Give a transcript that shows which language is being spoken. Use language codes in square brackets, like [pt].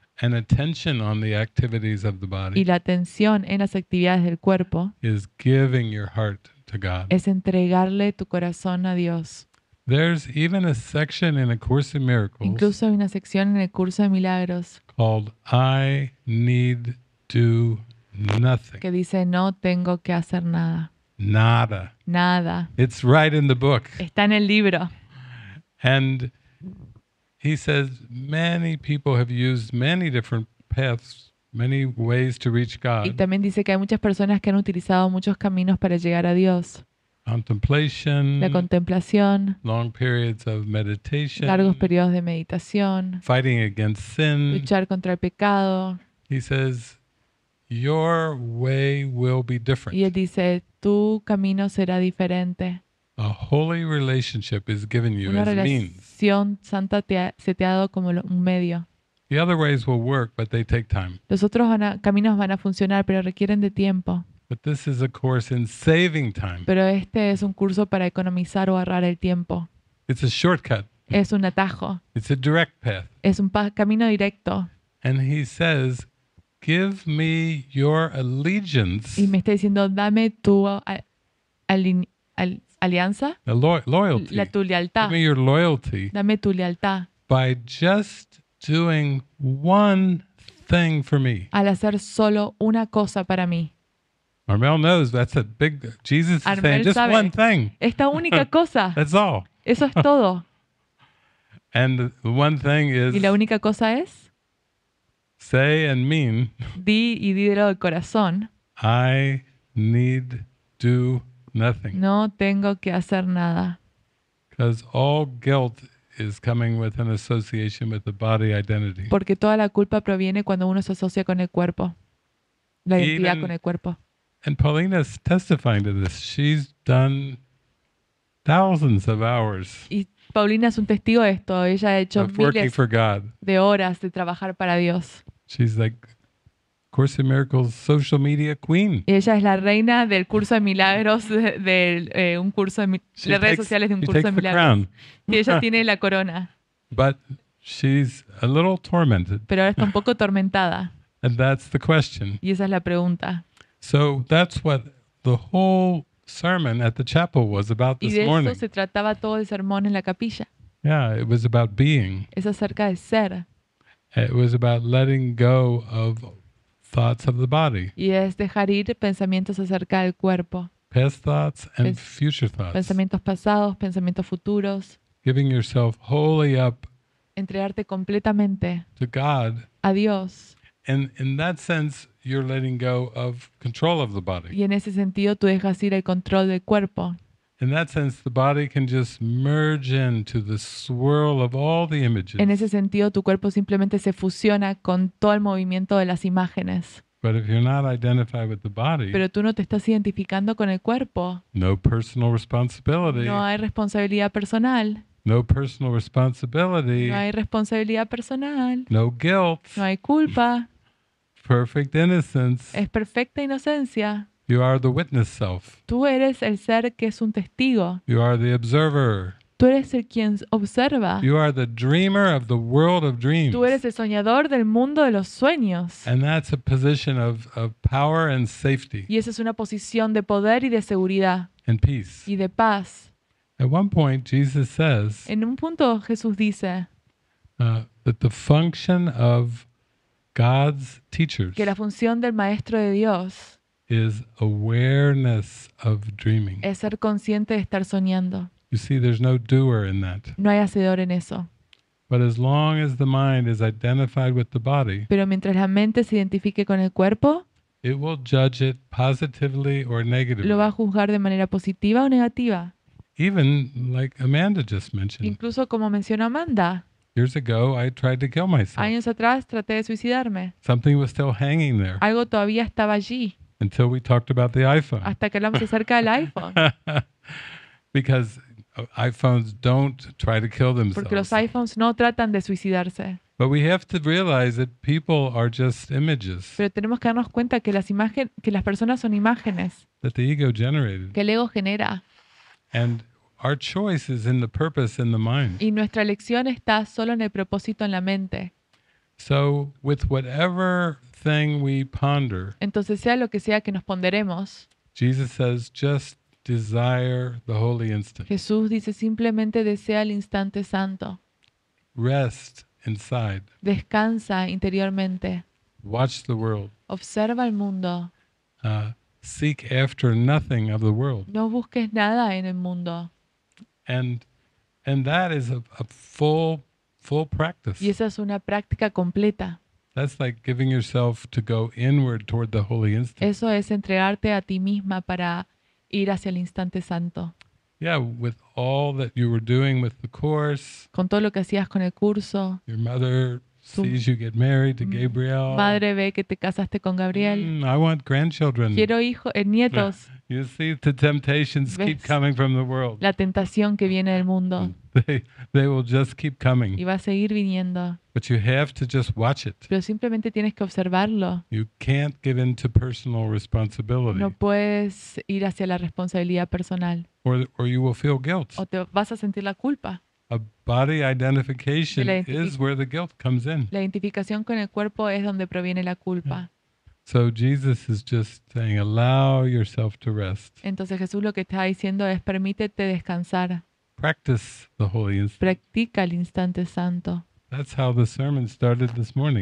[en] And attention on the activities of the body. [es] Y la atención en las actividades del cuerpo. [en] Is giving your heart to God. [es] Es entregarle tu corazón a Dios. [en] There's even a section in A Course in Miracles. [es] Incluso hay una sección en el curso de milagros. [en] Called I need do nothing. [es] Que dice no tengo que hacer nada. Nada. Nada. [en] It's right in the book. [es] Está en el libro. [en] And he says many people have used many different paths, many ways to reach God. [es] Y también dice que hay muchas personas que han utilizado muchos caminos para llegar a Dios. [en] Contemplation, [es] la contemplación, [en] long periods of meditation, [es] largos periodos de meditación, [en] fighting against sin, [es] luchar contra el pecado. [en] He says, your way will be different. [es] Y él dice, tu camino será diferente. [en] A holy relationship is given you [es] una [en] as means. [es] Una relación santa se te ha dado como un medio. [en] The other ways will work, but they take time. [es] Los otros caminos van a funcionar, pero requieren de tiempo. [en] But this is a course in saving time. [es] Pero este es un curso para economizar o ahorrar el tiempo. [en] It's a shortcut. [es] Es un atajo. [en] It's a direct path. [es] Es un camino directo. [en] And he says, give me your allegiance. [es] Y me está diciendo, dame tu alianza. [en] Loyalty. [es] Tu lealtad. [en] Give me your loyalty. [es] Dame tu lealtad. [en] By just doing one thing for me. [es] Al hacer solo una cosa para mí. [en] Armel knows that's a big Jesus is [es] Armel [en] saying just [es] sabe, [en] one thing. [es] Esta única cosa. [en] That's all. [es] Eso es todo. [en] And the one thing is. [es] Y la única cosa es. [en] Say and mean. [es] Di y dilo de corazón. [en] I need do nothing. [es] No tengo que hacer nada. [en] Because all guilt is coming with an association with the body identity. [es] Porque toda la culpa proviene cuando uno se asocia con el cuerpo, la identidad Even, con el cuerpo. [en] And Paulina's testifying to this. She's done thousands of hours. [es] Y Paulina es un testigo de esto. Ella ha hecho miles de horas de trabajar para Dios. [en] She's like Course in Miracles social media queen. [es] Ella es la reina del curso de milagros del un curso de las redes sociales de un curso de milagros. [en] She takes the crown. [es] Y ella tiene la corona. [en] But she's a little tormented. [es] Pero ahora está un poco tormentada. [en] And that's the question. [es] Y esa es la pregunta. [en] So that's what the whole sermon at the chapel was about this morning. [es] Y de eso se trataba todo el sermón en la capilla. [en] Yeah, it was about being. [es] Es acerca de ser. [en] It was about letting go of thoughts of the body. [es] Y es dejar ir pensamientos acerca del cuerpo. [en] Past thoughts and future thoughts. [es] Pensamientos pasados, pensamientos futuros. [en] Giving yourself wholly up. [es] Entregarte completamente. [en] To God. [es] A Dios. [en] And in that sense, you're letting go of control of the body. [es] Y en ese sentido, tú dejas ir el control del cuerpo. [en] In that sense, the body can just merge into the swirl of all the images. [es] En ese sentido, tu cuerpo simplemente se fusiona con todo el movimiento de las imágenes. [en] But if you're not identified with the body, [es] pero tú no te estás identificando con el cuerpo. [en] No personal responsibility. [es] No hay responsabilidad personal. [en] No personal responsibility. [es] No hay responsabilidad personal. [en] No guilt. [es] No hay culpa. [en] Perfect innocence. [es] Es perfecta inocencia. [en] You are the witness self. [es] Tú eres el ser que es un testigo. [en] You are the observer. [es] Tú eres el quien observa. [en] You are the dreamer of the world of dreams. [es] Tú eres el soñador del mundo de los sueños. [en] And that's a position of power and safety. [es] Y esa es una posición de poder y de seguridad. [en] And peace. [es] Y de paz. [en] At one point, Jesus says. [es] En un punto, Jesús dice. [en] That the function of God's teachers. [es] Que la función del maestro de Dios. [en] Is awareness of dreaming. [es] Es ser consciente de estar soñando. [en] You see, there's no doer in that. [es] No hay hacedor en eso. [en] But as long as the mind is identified with the body. [es] Pero mientras la mente se identifique con el cuerpo. [en] It will judge it positively or negatively. [es] Lo va a juzgar de manera positiva o negativa. [en] Even like Amanda just mentioned. [es] Incluso como mencionó Amanda. [en] Years ago, I tried to kill myself. [es] Años atrás, traté de suicidarme. [en] Something was still hanging there. [es] Algo todavía estaba allí. [en] Until we talked about the iPhone. [es] Hasta que hablamos acerca del iPhone. [en] Because iPhones don't try to kill themselves. [es] Porque los iPhones no tratan de suicidarse. [en] But we have to realize that people are just images. [es] Pero tenemos que darnos cuenta que las imágenes, que las personas son imágenes. [en] That the ego generated. [es] Que el ego genera. [en] And our choice is in the purpose in the mind. [es] Y nuestra elección está solo en el propósito en la mente. [en] So with whatever thing we ponder. [es] Entonces sea lo que sea que nos ponderemos. [en] Jesus says just desire the holy instant. [es] Jesús dice simplemente desea el instante santo. [en] Rest inside. [es] Descansa interiormente. [en] Watch the world. [es] Observa el mundo. [en] Seek after nothing of the world. [es] No busques nada en el mundo. [en] And that is a full practice. [es] Y esa es una práctica completa. [en] That's like giving yourself to go inward toward the holy instant. [es] Eso es entregarte a ti misma para ir hacia el instante santo. [en] Yeah, with all that you were doing with the course. [es] Con todo lo que hacías con el curso. [en] Your mother sees you get married to Gabriel. [es] Madre ve que te casaste con Gabriel. [en] I want grandchildren. [es] Quiero hijos, nietos. [en] You see, the temptations keep coming from the world. [es] La tentación que viene del mundo. [en] They will just keep coming. [es] Y va a seguir viniendo. [en] But you have to just watch it. [es] Pero simplemente tienes que observarlo. [en] You can't give in to personal responsibility. [es] No puedes ir hacia la responsabilidad personal. [en] Or you will feel guilt. [es] O te vas a sentir la culpa. [en] A body identification is where the guilt comes in. [es] La identificación con el cuerpo es donde proviene la culpa. [en] So Jesus is just saying, allow yourself to rest. [es] Entonces Jesús lo que está diciendo es, permítete descansar. [en] Practice the holy instant. [es] Practica el instante santo. [en] That's how the sermon started this morning.